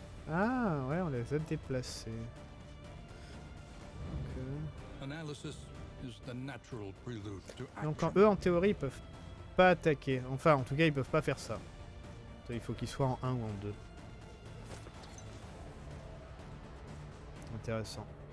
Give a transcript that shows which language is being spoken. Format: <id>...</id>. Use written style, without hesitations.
<fr>Ah ouais, on les a déplacés.</fr> <en>Analysis is the natural prelude to action.</en> <fr>Donc eux en théorie ils peuvent pas attaquer. Enfin en tout cas ils peuvent pas faire ça. Il faut qu'ils soient en 1 ou en 2. Intéressant.</fr>